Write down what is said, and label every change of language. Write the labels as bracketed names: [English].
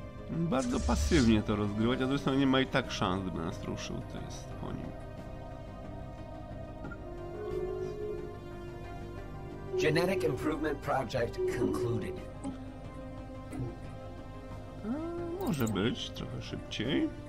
[Polish] Bardzo pasywnie to rozgrywać, a zresztą nie ma i tak szans, by nas ruszył, to jest po nim. [English] Genetic Improvement Project concluded. [Polish] Może być trochę szybciej.